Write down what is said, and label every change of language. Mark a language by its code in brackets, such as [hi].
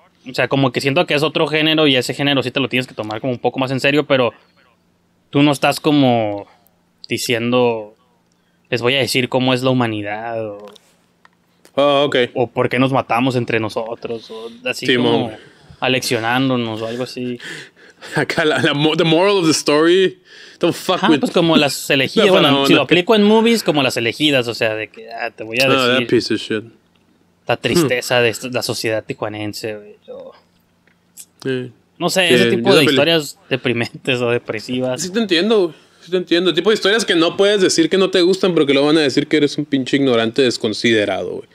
[es] O sea, como que siento que es otro género y ese género sí te lo tienes que tomar como un poco más en serio, pero tú no estás como diciendo, les voy a decir cómo es la humanidad o... [en] Oh, okay. [es] O por qué nos matamos entre nosotros, o así sí, como aleccionándonos o algo así. Acá la [en] the moral of the story, don't fuck with... [es] pues como las elegidas, bueno, si lo aplico en movies, como las elegidas, o sea, de que te voy a decir... [en] that piece of shit. [es] La tristeza de la sociedad tijuanense, güey. No sé, ese tipo de historias deprimentes o depresivas. Sí te entiendo, güey. Sí te entiendo. Tipo de historias que no puedes decir que no te gustan, pero que lo van a decir que eres un pinche ignorante desconsiderado, güey.